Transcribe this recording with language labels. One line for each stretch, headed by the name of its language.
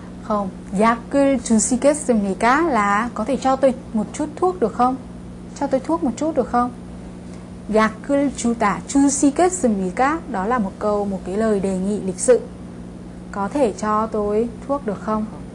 Vietnamese: Không,
Korean: 약을 주시겠습니까?
Vietnamese: Là có thể cho tôi một chút thuốc được không? Cho tôi thuốc một chút được không?
Korean: 약을 주다 주시겠습니까?
Vietnamese: Đó là một câu, một cái lời đề nghị lịch sự. Có thể cho tôi thuốc được không?